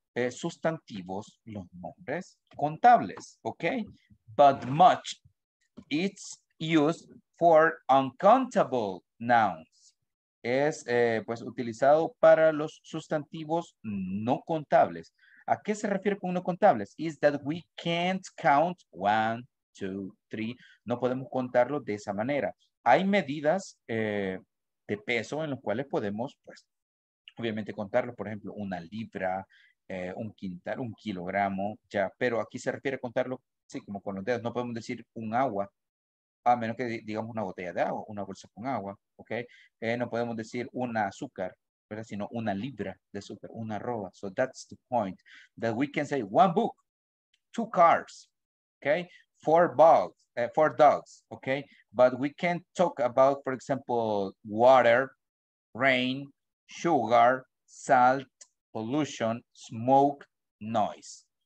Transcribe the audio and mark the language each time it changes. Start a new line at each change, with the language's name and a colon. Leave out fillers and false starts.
Spanish: sustantivos, los nombres contables, okay?
English: But much, it's used for uncountable nouns.
Spanish: Es, pues, utilizado para los sustantivos no contables. ¿A qué se refiere con no contables?
English: Is that we can't count one, two, three.
Spanish: No podemos contarlo de esa manera. Hay medidas de peso en las cuales podemos, pues, obviamente contarlo. Por ejemplo, una libra, un quintal, un kilogramo, ya, pero aquí se refiere a contarlo, sí, como con los dedos, no podemos decir un agua, a menos que digamos una botella de agua, una bolsa con agua, ok, no podemos decir una azúcar, ¿verdad? Sino una libra de azúcar, una arroba,
English: so that's the point, that we can say one book, two cars, ok, four dogs, ok, but we can talk about, for example, water, rain, sugar, salt, pollution, smoke, noise.